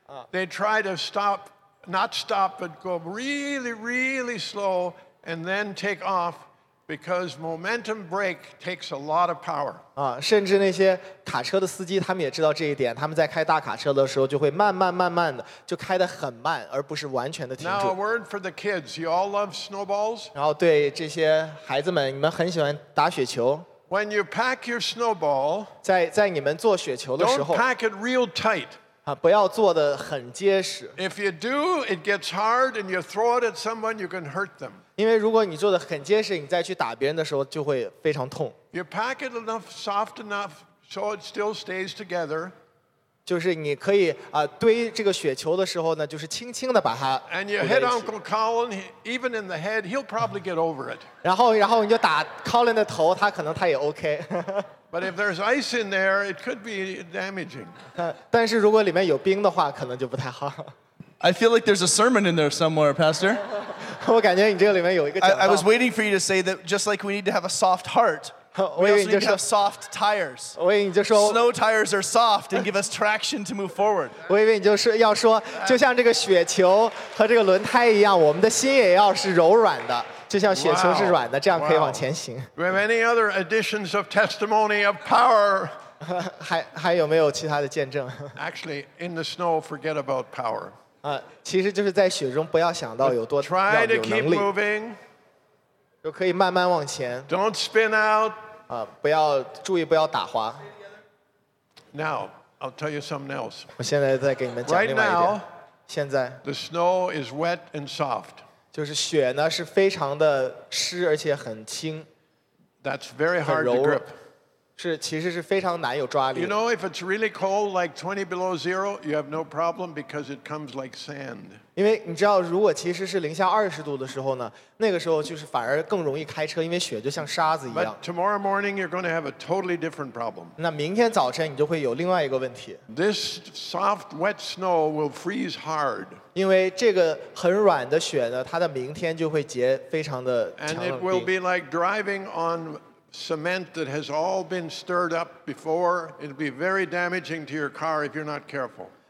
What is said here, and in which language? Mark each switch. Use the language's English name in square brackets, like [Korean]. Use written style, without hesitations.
[English] They try to stop, not stop, but go really, really slow and then take off because momentum brake takes a lot of power. [Chinese] 甚至那些卡车的司机他们也知道这一点他们在开大卡车的时候就会慢慢慢慢的就开得很慢而不是完全的停住。 [English] Now a word for the kids. You all love snowballs? [Chinese] 然后对这些孩子们你们很喜欢打雪球。 [English] When you pack your snowball, [Chinese] 在你们做雪球的时候 [English] don't pack it real tight. [Chinese] 不要做得很结实。 [English] If you do, it gets hard, and you throw it at someone, you can hurt them. [Chinese] 因为如果你做得很结实，你再去打别人的时候就会非常痛。 [English] You pack it enough, soft enough, so it still stays together. [Chinese] 就是你可以堆这个雪球的时候呢，就是轻轻的把它。 [English] And you hit Uncle Colin, even in the head, he'll probably get over it. [Chinese] 然后你就打 Colin 的头，他可能他也 OK。 [English] But if there's ice in there, it could be damaging. [Chinese] 但是如果里面有冰的话，可能就不太好。 [English] I feel like there's a sermon in there somewhere, Pastor. [Chinese] 我感觉你这个里面有一个讲道。 [English] I was waiting for you to say that just like we need to have a soft heart. We also need to have soft tires. [Chinese] 我以为你就说 [English] Snow tires are soft and give us traction to move forward. [Chinese] 我以为你就是要说就像这个雪球和这个轮胎一样我们的心也要是柔软的就像雪球是软的这样可以往前行。 [English] Do we have any other additions of testimony of power? [Chinese] 还有没有其他的见证? [English] Actually, in the snow, forget about power. [Chinese] 其实就是在雪中不要想到有多要有能力。 [English] Try to keep moving. [Chinese] 就可以慢慢往前。 [English] Don't spin out. [Chinese] 不要注意不要打滑。 [English] Now I'll tell you something else. [Chinese] 我现在再给你们讲另外一点。现在。 [English] The snow is wet and soft. [Chinese] 就是雪呢是非常的湿而且很轻。 [English] That's very hard to grip. [Chinese] 是其实是非常难有抓力。 [English] You know if it's really cold like 20 below zero, you have no problem because it comes like sand. [Chinese] 因为你知道，如果其实是零下二十度的时候呢，那个时候就是反而更容易开车，因为雪就像沙子一样。 [English] But tomorrow morning you're going to have a totally different problem. [Chinese] 那明天早晨你就会有另外一个问题。 [English] This soft, wet snow will freeze hard. [Chinese] 因为这个很软的雪呢，它的明天就会结非常的强冷冰。 [English] And it will be like driving on cement that has all been stirred up before. It'll be very damaging to your car if you're not careful.